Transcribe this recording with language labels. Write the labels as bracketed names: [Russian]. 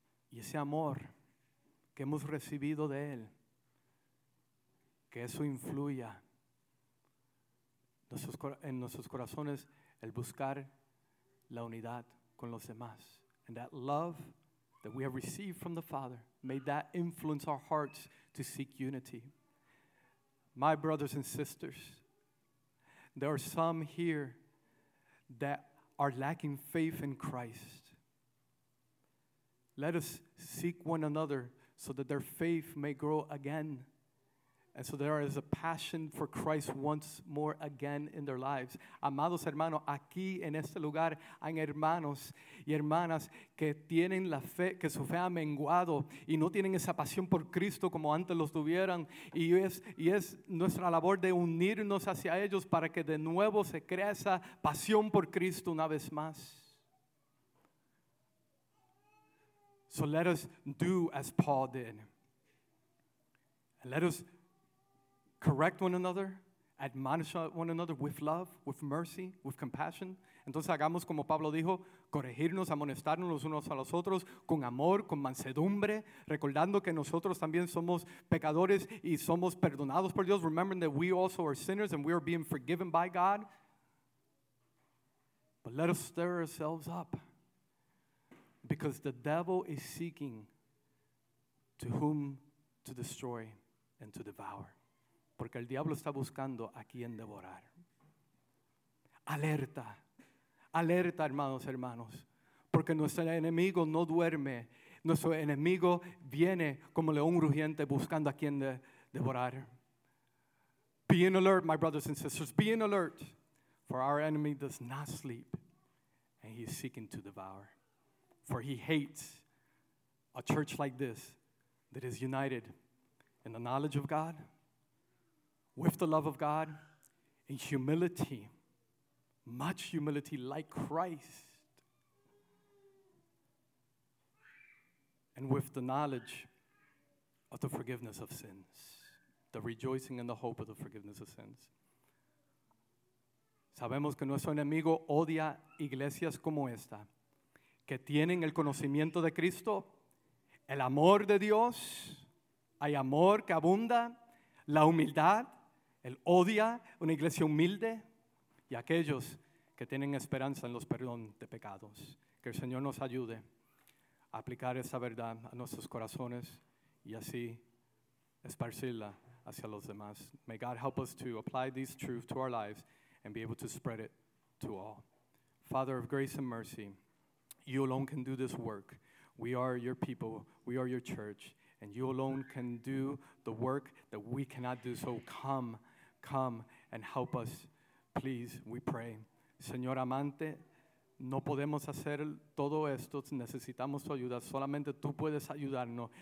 [Spanish] Y ese amor que hemos recibido de él, que eso influya en nuestros corazones, el buscar la unidad con los demás. [English] And that love that we have received from the Father, may that influence our hearts to seek unity. My brothers and sisters, there are some here that are lacking faith in Christ. Let us seek one another so that their faith may grow again, and so there is a passion for Christ once more again in their lives. [Spanish] Amados hermanos, aquí en este lugar hay hermanos y hermanas que tienen la fe, que su fe ha menguado y no tienen esa pasión por Cristo como antes los tuvieran. Y es nuestra labor de unirnos hacia ellos para que de nuevo se crea esa pasión por Cristo una vez más. [English] So let us do as Paul did. And let us correct one another, admonish one another with love, with mercy, with compassion. [Spanish] Entonces hagamos como Pablo dijo, corregirnos, amonestarnos los unos a los otros con amor, con mansedumbre, recordando que nosotros también somos pecadores y somos perdonados por Dios. [English] Remembering that we also are sinners and we are being forgiven by God. But let us stir ourselves up. Because the devil is seeking to whom to destroy and to devour. [Spanish] Porque el diablo está buscando a quien devorar. Alerta. Alerta, hermanos, hermanos. Porque nuestro enemigo no duerme. Nuestro enemigo viene como león rugiente buscando a quien devorar. [English] Be in alert, my brothers and sisters. Be in alert. For our enemy does not sleep. And he is seeking to devour. For he hates a church like this that is united in the knowledge of God, with the love of God, in humility, much humility like Christ, and with the knowledge of the forgiveness of sins, the rejoicing and the hope of the forgiveness of sins. [Spanish] Sabemos que nuestro enemigo odia iglesias como esta, que tienen el conocimiento de Cristo, el amor de Dios, hay amor que abunda, la humildad, él odia una iglesia humilde, y aquellos que tienen esperanza en los perdón de pecados. Que el Señor nos ayude a aplicar esa verdad a nuestros corazones y así esparcirla hacia los demás. [English] May God help us to apply these truths to our lives and be able to spread it to all. Father of grace and mercy, you alone can do this work. We are your people, we are your church, and you alone can do the work that we cannot do. So come, come and help us, please, we pray. [Spanish] Señor amante, no podemos hacer todo esto, necesitamos tu ayuda, solamente tú puedes ayudarnos.